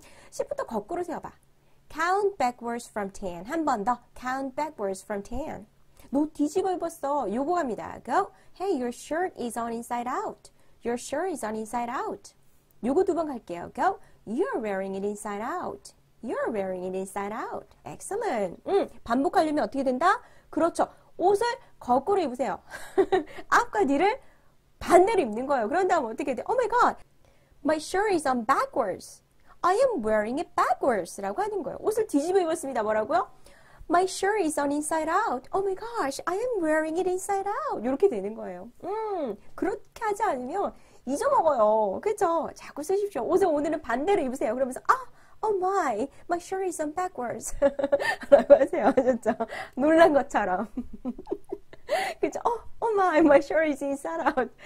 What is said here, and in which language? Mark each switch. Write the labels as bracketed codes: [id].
[ko] 10부터 거꾸로 세어봐. [en] Count backwards from 10. [ko] 한번 더. [en] Count backwards from 10. [ko] 너 뒤집어 입었어. 요거 갑니다. Go. [en] Hey, your shirt is on inside out. Your shirt is on inside out. [ko] 요거 두번 갈게요. Go. [en] You're wearing it inside out. You're wearing it inside out. Excellent. [ko] 반복하려면 어떻게 된다? 그렇죠. 옷을 거꾸로 입으세요. 앞과 뒤를 반대로 입는 거예요. 그런 다음 어떻게 돼? [en] Oh my God. My shirt is on backwards. I am wearing it backwards [ko] 라고 하는 거예요. 옷을 뒤집어 입었습니다. 뭐라고요? [en] My shirt is on inside out. Oh my gosh, I am wearing it inside out. [ko] 이렇게 되는 거예요. 그렇게 하지 않으면 잊어먹어요. 그쵸? 자꾸 쓰십시오. 옷을 오늘은 반대로 입으세요. 그러면서, 아, [en] oh my, my shirt is on backwards [ko] 라고 하세요. 아셨죠? 놀란 것처럼. 그쵸? [en] Oh my, my shirt is inside out.